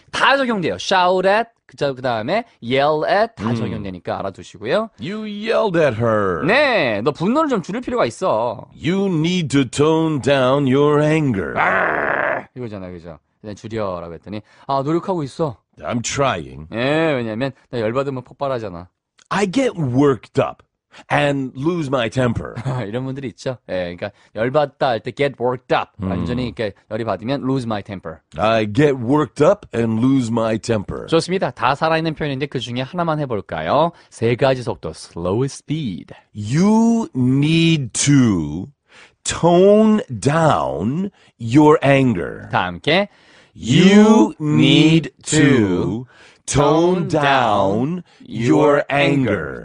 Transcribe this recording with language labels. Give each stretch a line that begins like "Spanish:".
Korean: 다 적용돼요. Shout at. 그 다음에 yell at 다 적용되니까 알아두시고요.
English: You yelled at her.
Korean: 네, 너 분노를 좀 줄일 필요가 있어.
English: You need to tone down your anger.
Korean: 아, 이거잖아, 그죠? 그냥 줄여라고 했더니 아 노력하고 있어.
English: I'm trying.
Korean: 네, 왜냐면 나 열받으면 폭발하잖아.
English: I get worked up and lose my temper.
Korean: 이런 분들이 있죠. 예, 그러니까 열받다 할 때
English: get worked up.
Korean: 완전히 이렇게 열이 받으면
English: lose my temper. I get worked up and lose my temper.
Korean: 좋습니다. 다 살아있는 표현인데 그 중에 하나만 해볼까요? 세 가지 속도, slow speed.
English: You need to tone down your anger.
Korean: 다 함께.
English: You need to tone down your anger.